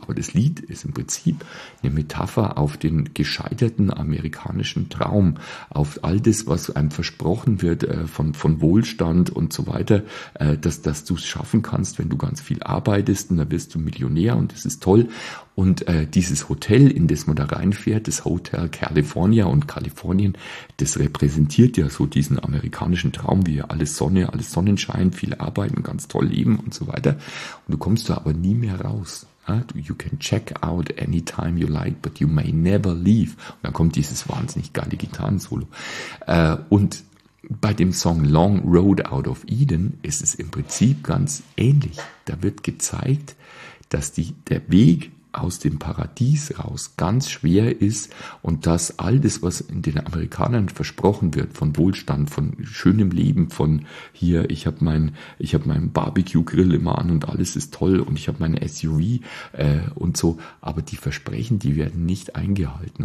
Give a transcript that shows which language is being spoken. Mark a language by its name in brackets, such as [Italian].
[German] Aber das Lied ist im Prinzip eine Metapher auf den gescheiterten amerikanischen Traum, auf all das, was einem versprochen wird von Wohlstand und so weiter, dass du es schaffen kannst, wenn du ganz viel arbeitest und dann wirst du Millionär und das ist toll. Und dieses Hotel, in das man da reinfährt, das Hotel California und Kalifornien, das repräsentiert ja so diesen amerikanischen Traum, wie alles Sonne, alles Sonnenschein, viel arbeiten, ganz toll leben und so weiter. Und du kommst da aber nie mehr raus. [English] You can check out anytime you like, but you may never leave. [German] Und dann kommt dieses wahnsinnig geile Gitarrensolo. Und bei dem Song Long Road Out of Eden ist es im Prinzip ganz ähnlich. Da wird gezeigt, dass der Weg aus dem Paradies raus ganz schwer ist und dass all das, was in den Amerikanern versprochen wird, von Wohlstand, von schönem Leben, von hier, ich habe meinen Barbecue-Grill immer an und alles ist toll und ich habe meine SUV und so, aber die Versprechen, die werden nicht eingehalten.